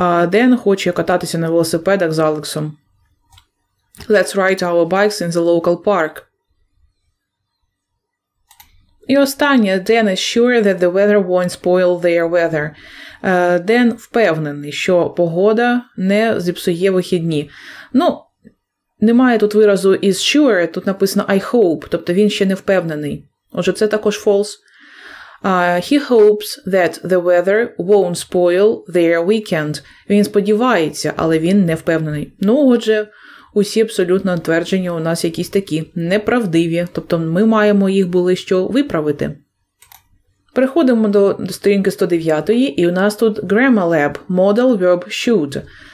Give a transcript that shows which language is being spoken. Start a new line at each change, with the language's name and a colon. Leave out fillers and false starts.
Ukrainian: Dan хоче кататися на велосипедах з Алексом.
English: Let's ride our bikes in the local park.
Ukrainian: І останнє.
English: Dan is sure that the weather won't spoil their weather.
Ukrainian: Dan впевнений, що погода не зіпсує вихідні. Ну, немає тут виразу is sure, тут написано I hope, тобто він ще не впевнений. Отже, це також false.
English: He hopes that the weather won't spoil their weekend.
Ukrainian: Він сподівається, але він не впевнений. Ну, отже, усі абсолютно твердження у нас якісь такі неправдиві. Тобто ми маємо їх були що виправити. Переходимо до сторінки 109, і у нас тут
English: Grammar Lab, Model Verb Should.